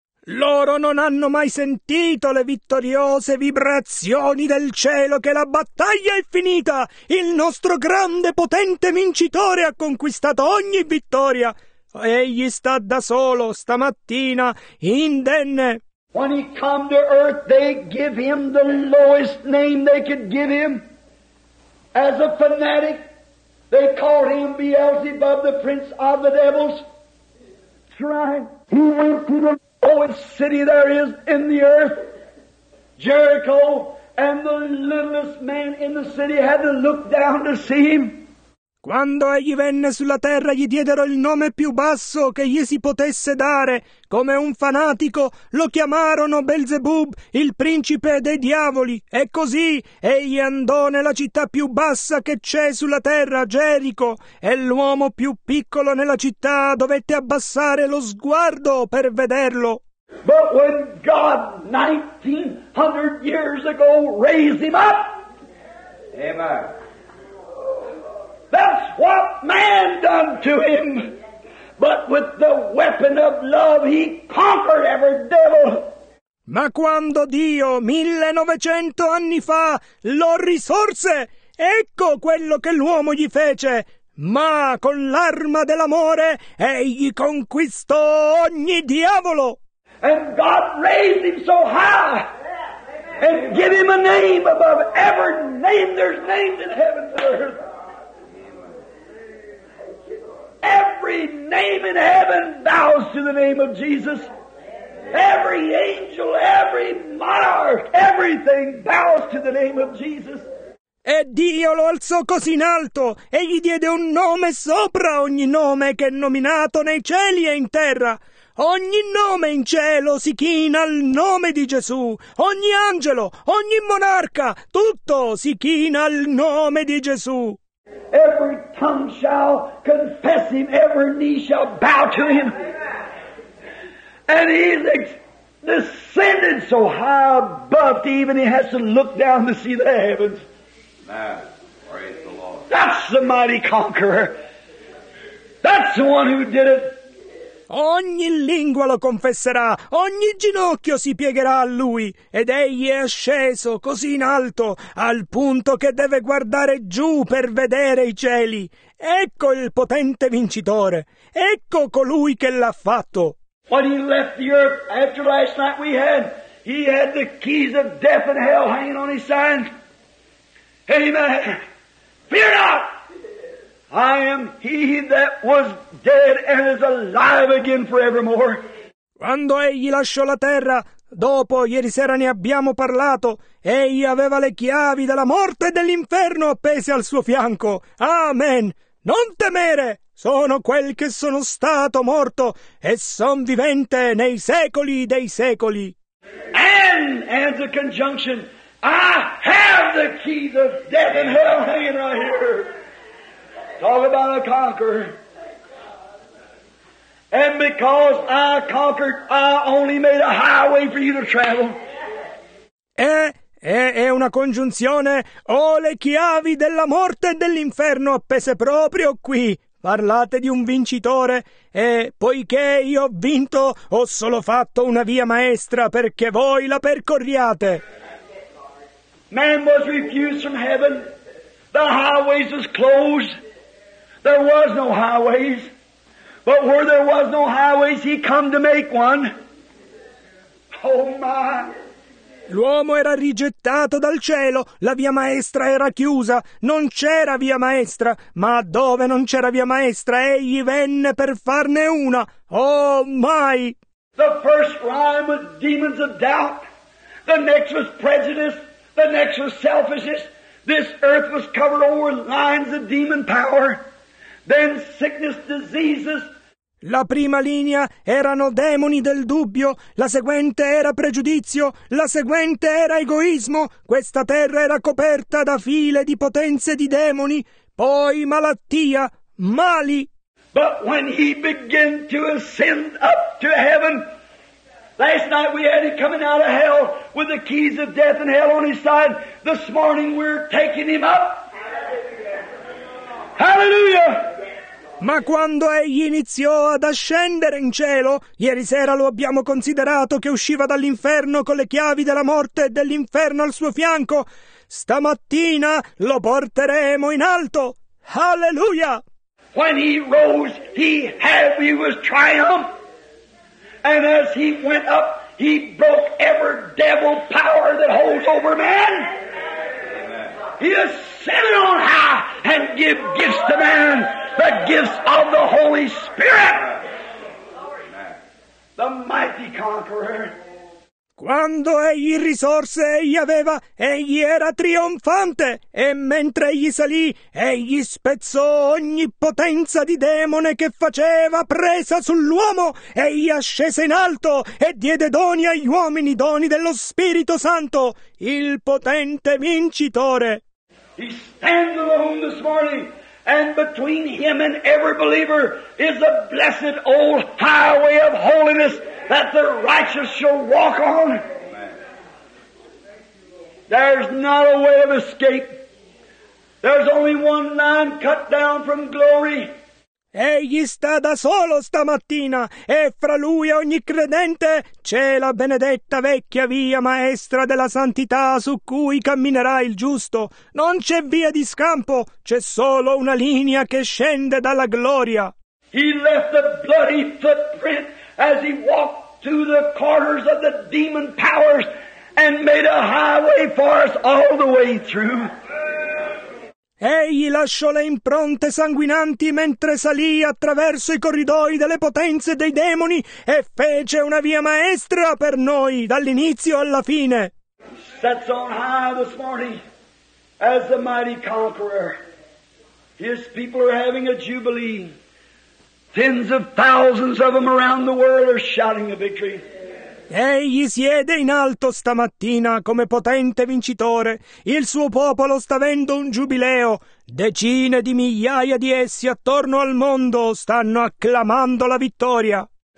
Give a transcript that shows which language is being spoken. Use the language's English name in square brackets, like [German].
[Italian] Loro non hanno mai sentito le vittoriose vibrazioni del cielo, che la battaglia è finita! Il nostro grande, potente vincitore ha conquistato ogni vittoria! Egli sta da solo stamattina, indenne! [English] When he come to earth, they give him the lowest name they could give him. As a fanatic, they call him Beelzebub, the prince of the devils. He went to the lowest city there is in the earth, Jericho, and the littlest man in the city had to look down to see him. [Italian] Quando egli venne sulla terra, gli diedero il nome più basso che gli si potesse dare. Come un fanatico, lo chiamarono Beelzebub, il principe dei diavoli. E così egli andò nella città più bassa che c'è sulla terra, Gerico. E l'uomo più piccolo nella città dovette abbassare lo sguardo per vederlo. [English] But when God 1900 years ago raised him up, amen. That's what man done to him. But with the weapon of love he conquered every devil. [Italian] Ma quando Dio 1900 anni fa lo risorse, ecco quello che l'uomo gli fece. Ma con l'arma dell'amore egli conquistò ogni diavolo. [English] And God raised him so high and give him a name above every name there's named in heaven and earth. Every name in heaven bows to the name of Jesus. Every angel, every monarch, everything bows to the name of Jesus. [Italian] E Dio lo alzò così in alto, e gli diede un nome sopra ogni nome che è nominato nei cieli e in terra. Ogni nome in cielo si china al nome di Gesù. Ogni angelo, ogni monarca, tutto si china al nome di Gesù. [English] Every tongue shall confess him, every knee shall bow to him. And he's descended so high above, even he has to look down to see the heavens. Praise the Lord. That's the mighty conqueror. That's the one who did it. [Italian] Ogni lingua lo confesserà, ogni ginocchio si piegherà a lui, ed egli è sceso così in alto, al punto che deve guardare giù per vedere i cieli. Ecco il potente vincitore, ecco colui che l'ha fatto. [English] When he left the earth after last night we had, he had the keys of death and hell hanging on his hand. Amen. Fear not! I am he that was dead and is alive again forevermore. [Italian] Quando egli lasciò la terra, dopo ieri sera ne abbiamo parlato, egli aveva le chiavi della morte e dell'inferno appese al suo fianco. Amen. Non temere. Sono quel che sono stato morto e son vivente nei secoli dei secoli. [English] And the conjunction, I have the keys of death and hell hanging right here. Talk about a conqueror. And because I conquered, I only made a highway for you to travel. [Italian] È una congiunzione. Ho le chiavi della morte e dell'inferno appese proprio qui. Parlate di un vincitore. E poiché io ho vinto, ho solo fatto una via maestra perché voi la percorriate. [English] Man was refused from heaven. The highways was closed. There was no highways, but where there was no highways, he come to make one. Oh my! [Italian] L'uomo era rigettato dal cielo, la via maestra era chiusa, non c'era via maestra, ma dove non c'era via maestra, egli venne per farne una. [English] Oh my! The first rhyme was demons of doubt, the next was prejudice, the next was selfishness. This earth was covered over with lines of demon power. Then sickness, diseases. [Italian] La prima linea erano demoni del dubbio, la seguente era pregiudizio, la seguente era egoismo. Questa terra era coperta da file di potenze di demoni, poi malattia, mali. [English] But when he began to ascend up to heaven, last night we had him coming out of hell with the keys of death and hell on his side. This morning we're taking him up. Hallelujah! [Italian] Ma quando egli iniziò ad ascendere in cielo, ieri sera lo abbiamo considerato che usciva dall'inferno con le chiavi della morte e dell'inferno al suo fianco, stamattina lo porteremo in alto. Alleluia! [English] When he rose, he was triumph. And as he went up, he broke every devil power that holds over man. He ascended on high and gave gifts to man. The gifts of the Holy Spirit, the mighty conqueror. [Italian] Quando egli risorse, egli era trionfante, e mentre egli salì, egli spezzò ogni potenza di demone che faceva presa sull'uomo, egli ascese in alto e diede doni agli uomini, doni dello Spirito Santo, il potente vincitore. [English] He stands alone this morning. And between him and every believer is a blessed old highway of holiness that the righteous shall walk on. There's not a way of escape. There's only one line cut down from glory. [Italian] Egli sta da solo stamattina, e fra lui e ogni credente c'è la benedetta vecchia via maestra della santità su cui camminerà il giusto. Non c'è via di scampo, c'è solo una linea che scende dalla gloria. [English] He left a bloody footprint as he walked through the corridors of the demon powers and made a highway for us all the way through. [Italian] Egli lasciò le impronte sanguinanti mentre salì attraverso i corridoi delle potenze dei demoni e fece una via maestra per noi dall'inizio alla fine. [English] Sets on high this morning as the mighty conqueror. His people are having a jubilee. Tens of thousands of them around the world are shouting the victory. [Italian] Egli siede in alto stamattina come potente vincitore. Il suo popolo sta avendo un giubileo. Decine di migliaia di essi attorno al mondo stanno acclamando la vittoria.